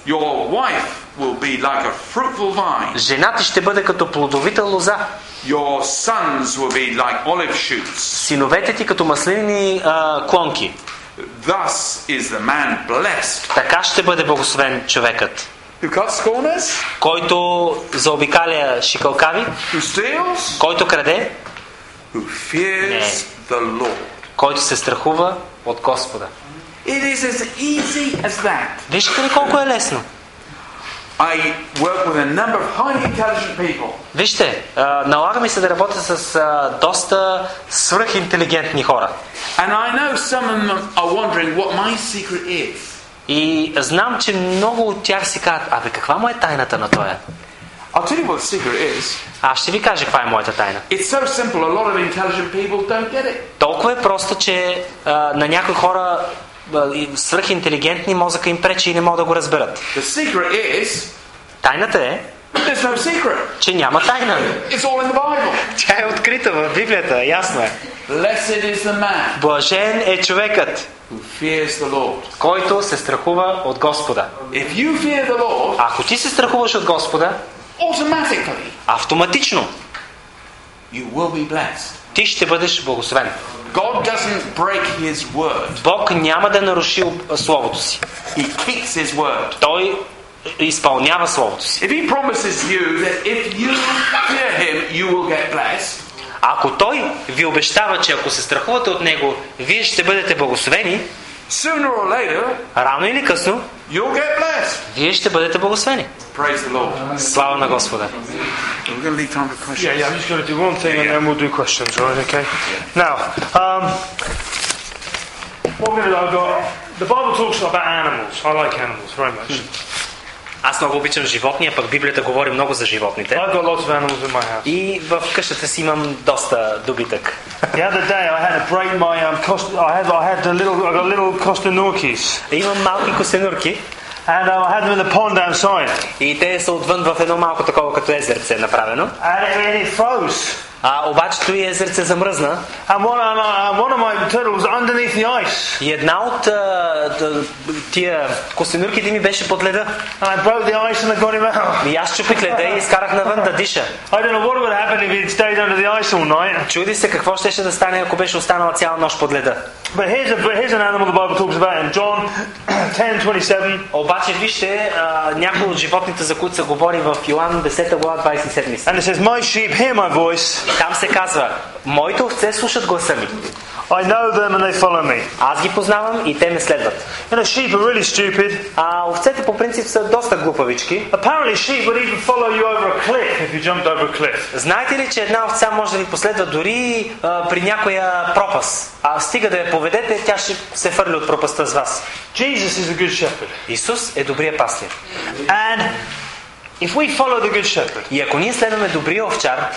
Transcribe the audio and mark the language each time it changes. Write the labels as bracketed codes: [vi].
[en] Your wife will be like a fruitful vine. [bg] Жената ще бъде като плодовита лоза. [en] Your sons will be like olive shoots. [bg] Синовете ти като маслини клонки. [en] Thus is the man blessed. [bg] Така ще бъде благословен човекът. [en] Who cuts corners? [bg] Който заобикаля шикалкави. [en] Who steals? [bg] Който краде. [en] Who fears the Lord? [bg] Който се страхува от Господа. [en] It is as easy as that. [bg] Вижте ли колко е лесно? [en] I work with a number of highly intelligent people. [bg] Вижте, налага ми се да работя с доста свръхинтелигентни хора. [en] And I know some of them are wondering what my secret is. [bg] И знам, че много от тях си казват, абе каква му е тайната на тоя? [en] I'll tell you what the secret is. [bg] Аз ще ви кажа каква е моята тайна. [en] It's so simple, a lot of intelligent people don't get it. [bg] Толкова е просто, че на някои хора свръхинтелигентни мозъка им пречи и не могат да го разберат. [en] The secret is, [bg] тайната е, [en] there's no secret. [bg] Че няма тайна. [en] It's all in the Bible. [bg] Тя е открита в Библията, ясно е. [en] Blessed is the man. [bg] Блажен е човекът, [en] who fears the Lord. [bg] Който се страхува от Господа. [en] If you fear the Lord, [bg] ако ти се страхуваш от Господа, [en] automatically, [bg] автоматично, [en] you will be blessed. [bg] Ти ще бъдеш благословен. [en] God doesn't break his word. [bg] Бог няма да наруши словото си. [en] He keeps his word. [bg] Той изпълнява словото си. [en] If he promises you that if you fear him, you will get blessed. [bg] Ако той ви обещава, че ако се страхувате от него, вие ще бъдете благословени, [en] sooner or later, [bg] рано или късно, [en] you'll get blessed. [bg] Вие ще бъдете благословени. [en] Praise the Lord. [bg] Слава на Господа. [en] We're going to leave time for questions. Yeah, I'm just going to do one thing, yeah, yeah, and then we'll do questions, right? Okay. Yeah. Now, the Bible talks about animals. I like animals very much. [bg] Аз много обичам животни, а пък Библията говори много за животните. [en] I've got lots of animals in my house. [bg] И в къщата си имам доста добитък. [en] The other day I had to break my I had a little costenurkis. [bg] Имам малки костенурки. [en] And I had them in the pond outside. [bg] И те са отвън в едно малко такова като езерце направено. [en] And it froze. [bg] А обаче той езерце замръзна. [en] One of my turtles underneath the ice. [bg] И една от тия костенурките ми беше под леда. [en] And I broke the ice and I got him out. [bg] И аз чупих леда и изкарах навън да диша. [en] I don't know what would happen if he'd stayed under the ice all night. [bg] Чуди се какво щеше да стане, ако беше останала цяла нощ под леда. [en] But here's an animal the Bible talks about in John 10:27. [bg] Обаче вижте някои от животните, за които се говори в Йоан 10 глава 27. [en] And it says, my sheep hear my voice. [bg] Там се казва, моите овце слушат гласа ми. [en] I know them and they follow me. [bg] Аз ги познавам и те ме следват. [en] And the sheep are really stupid. [bg] А овцете по принцип са доста глупавички. [en] Apparently sheep would even follow you over a cliff if you jumped over a cliff. [bg] Знаете ли, че една овца може да ви последва дори при някоя пропаст? А стига да я поведете, тя ще се фърли от пропаста с вас. [en] Jesus is a good shepherd. [bg] Исус е добрия пастир. [en] And if we follow the good shepherd, [bg] и ако ние следваме добрия овчар,